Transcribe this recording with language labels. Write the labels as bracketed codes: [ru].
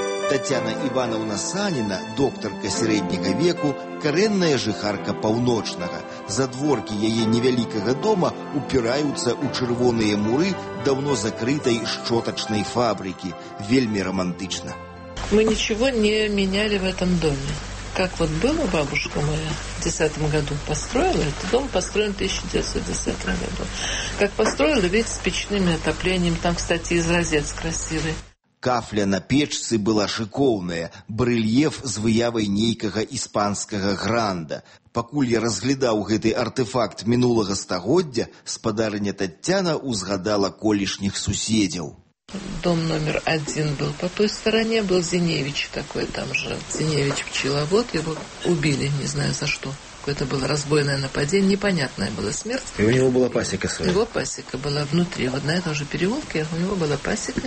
[be] Татьяна Івановна Саніна, доктарка сярэдняга веку, карэнная жыхарка паўночнага. Задворкі яе невялікага дома упіраюцца ў чырвоныя муры даўно закрытай шчотачнай фабрыкі. Вельмі рамантычна. Мы нічого не мянялі ў гэтым доме. [ru] Как вот была бабушка моя в 10-м году построила, это дом построен в 1910 году. Как построила, ведь с печным отоплением, там, кстати, из розец красивый. [be] Кафля на печцы была шыкоўная, брэльеф з выявай нейкага іспанскага гранда. Пакуль я разглядаў гэты артэфакт мінулага стагоддзя, спадарыня Таццяна узгадала колішніх суседзяў. [ru] Дом номер один был по той стороне, был Зиневич такой там же. Зиневич пчеловод, его убили, не знаю за что. Это было разбойное нападение, непонятная была смерть. И у него была пасека своя? Его пасека была внутри, вот на этом же переулке у него была пасека.